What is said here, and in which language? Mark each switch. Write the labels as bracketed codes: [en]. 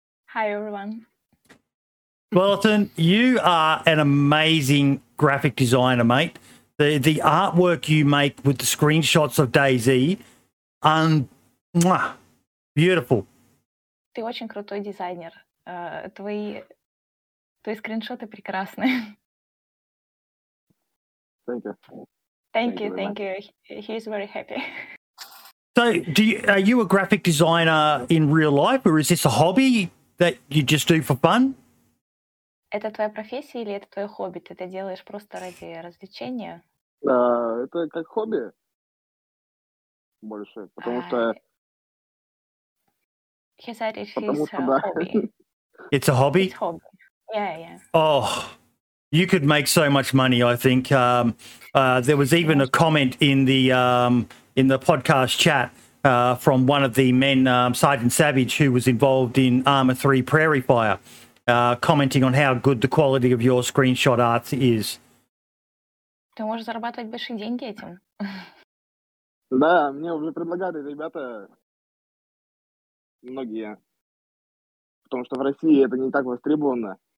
[en] Hi, everyone. Wellerton, you are an amazing graphic designer, mate. The artwork you make with the screenshots of DayZ, beautiful. [ru] Ты очень крутой дизайнер. Твои скриншоты прекрасны. [en] Thank you. He's very happy. So, are you a graphic designer in real life, or is this a hobby that you just do for fun? [ru] Это твоя профессия или это твое хобби? Ты это делаешь просто ради развлечения? Да, это как хобби больше, потому что... [en] He said it's his hobby. It's a hobby? It's hobby. Yeah. Oh, you could make so much money, I think. There was even a comment in the podcast chat from one of the men, Sergeant Savage, who was involved in Armour 3 Prairie Fire. Commenting on how good the quality of your screenshot art is. [ru] Ты можешь зарабатывать большие деньги этим. Да, мне уже предлагали ребята многие, потому что в России это не так востребовано.